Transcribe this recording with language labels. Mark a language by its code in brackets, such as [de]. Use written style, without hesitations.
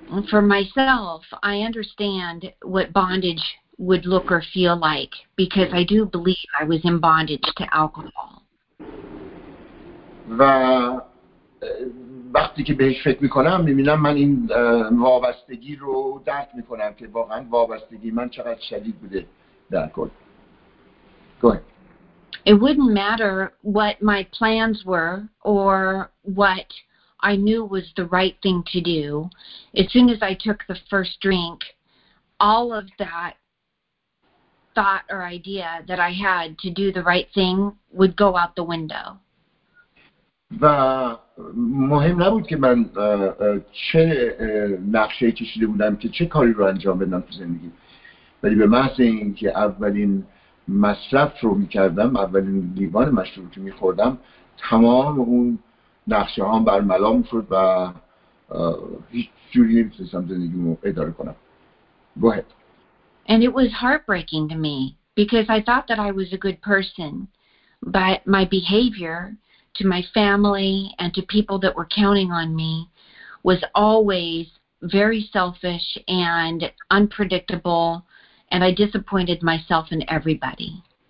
[en] For myself, I understand what bondage would look or feel like because I do believe I was in bondage to alcohol. [fa] و وقتی که بهش فکر میکنم میبینم من این وابستگی رو درک میکنم که واقعا وابستگی من چقدر شدید بوده در کل. [en] Go ahead. It wouldn't matter what my plans were or what I knew was the right thing to do. As soon as I took the first drink, all of that thought or idea that I had to do the right thing would go out the window. [fa] و مهم نبود که من چه نقشه‌ای کشیده بودم که چه کاری رو انجام بدم تو زندگی. ولی به محض اینکه اولین مصرف رو می‌کردم، اولین لیوان مشروب رو می‌خوردم، تمام اون نقشه هم برملا می‌شد و هیچ جوری نمی‌تونستم زندگیمو اداره کنم. [en] Go ahead. And it was heartbreaking to me because I thought that I was a good person, but my behavior to my family and to people that were counting on me was always very selfish and unpredictable, and I disappointed myself and everybody.